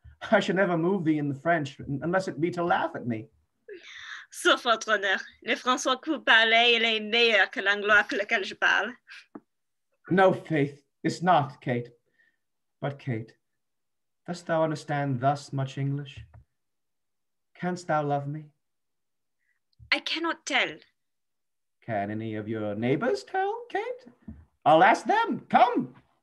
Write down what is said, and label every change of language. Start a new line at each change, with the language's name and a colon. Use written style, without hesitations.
English: I should never move thee in the French, unless it be to laugh at me.
French: Sauf votre honneur, le français que vous parlez est meilleur que l'anglais que lequel je parle.
English: No, Faith, it's not, Kate. But, Kate, dost thou understand thus much English? Canst thou love me? I cannot tell. Can any of your neighbors tell, Kate? I'll ask them. Come.